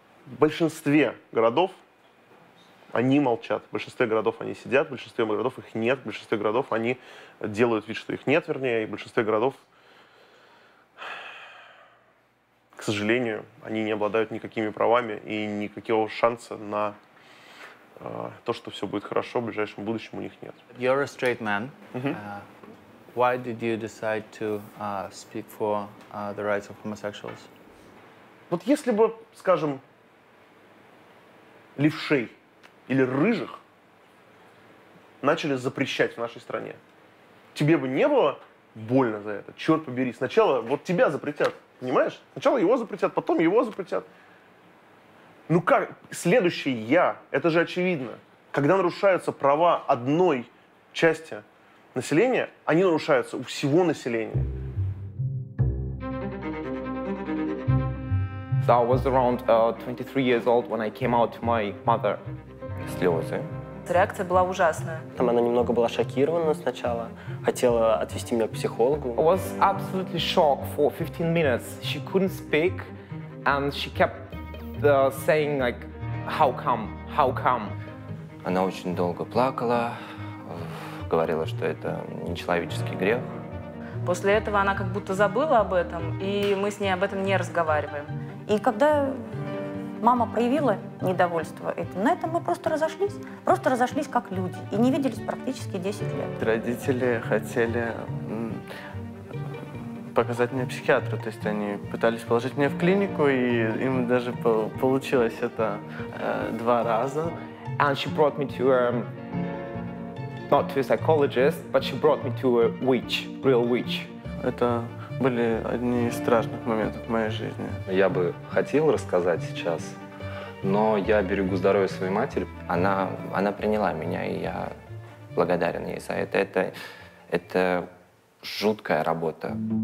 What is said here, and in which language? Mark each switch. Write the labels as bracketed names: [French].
[Russian] В большинстве городов они молчат, в большинстве городов они сидят, в большинстве городов их нет, в большинстве городов они делают вид, что их нет, вернее, и в большинстве городов, к сожалению, они не обладают никакими правами и никакого шанса на то, что все будет хорошо в ближайшем будущем у них нет. [English] You're a straight man. Why did you decide to speak for the rights of homosexuals? [Russian] Вот если бы, скажем, левшей или рыжих начали запрещать в нашей стране. Тебе бы не было больно за это? Черт побери. Сначала вот тебя запретят, понимаешь? Сначала его запретят, потом его запретят. Ну как? Следующий я. Это же очевидно. Когда нарушаются права одной части населения, они нарушаются у всего населения. [English] I was around 23 years old when I came out to my mother. [Russian] Слезы. Реакция была ужасная. Там она немного была шокирована сначала, хотела отвезти меня к психологу. [English] I was absolutely shocked for 15 minutes. She couldn't speak, and she kept saying like, how come, how come. [Russian] Она очень долго плакала, говорила, что это нечеловеческий грех. После этого она как будто забыла об этом, и мы с ней об этом не разговариваем. И когда мама проявила недовольство этим, на этом мы просто разошлись как люди, и не виделись практически 10 лет. Родители хотели показать мне психиатра, то есть они пытались положить меня в клинику, и им даже получилось это два раза. [English] And she brought me to not to a psychologist, but she brought me to a witch, real witch. [Russian] Это были одни из страшных моментов в моей жизни. Я бы хотел рассказать сейчас, но я берегу здоровье своей матери. Она приняла меня, и я благодарен ей за это. Это жуткая работа.